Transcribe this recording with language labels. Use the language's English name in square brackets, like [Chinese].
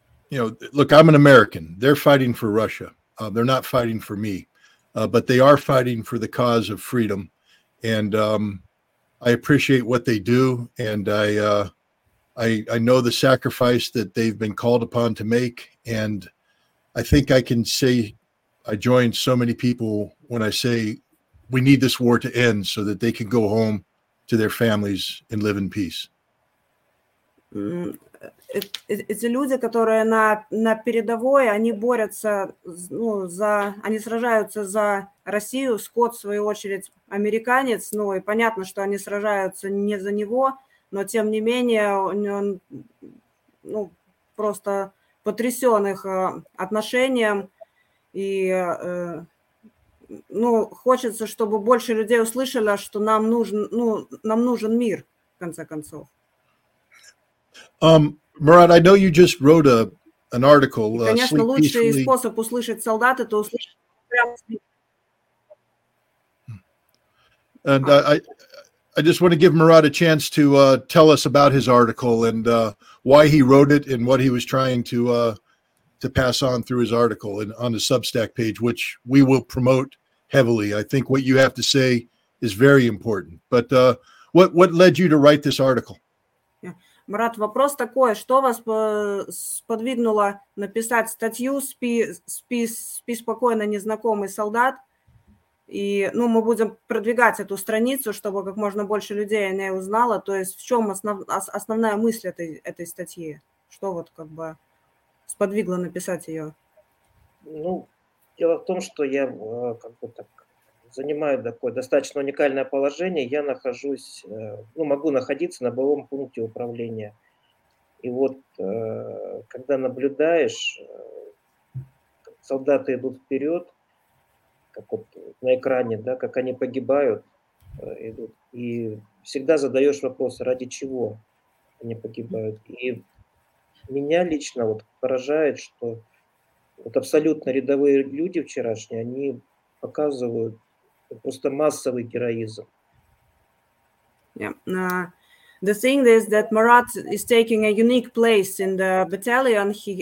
[English] You know, look, I'm an American. They're fighting for Russia. They're not fighting for me, but they are fighting for the cause of freedom, and I appreciate what they do, and I know the sacrifice that they've been called upon to make, and I think I can say I join so many people when I say we need this war to end so that they can go home to their families and live in peace. [Russian] Эти люди, которые на передовой, они борются, ну, за, они сражаются за Россию. Скотт, в свою очередь, американец, ну, и понятно, что они сражаются не за него, но тем не менее он ну, просто потрясен их отношением, и ну, хочется, чтобы больше людей услышали, что нам нужен мир, в конце концов. [English] Murat, I know you just wrote an article. [Russian] Конечно, лучший способ услышать солдат — это услышать прямо. [English] And I just want to give Murat a chance to tell us about his article and why he wrote it and what he was trying to pass on through his article and on the Substack page, which we will promote heavily. I think what you have to say is very important. But what led you to write this article? [Russian] Марат, вопрос такой, что вас сподвигнуло написать статью «Спи спокойно, незнакомый солдат», и ну, мы будем продвигать эту страницу, чтобы как можно больше людей о ней узнало, то есть в чем основная мысль этой статьи, что вот как бы сподвигло написать ее? Ну, дело в том, что я как бы так занимаю такое достаточно уникальное положение. Я нахожусь, ну, могу находиться на боевом пункте управления. И вот, когда наблюдаешь, солдаты идут вперед, как вот на экране, да, как они погибают, идут, и всегда задаешь вопрос, ради чего они погибают. И меня лично вот поражает, что вот абсолютно рядовые люди вчерашние, они показывают просто массовый героизм. [English] The thing is that Murat is taking a unique place in the battalion.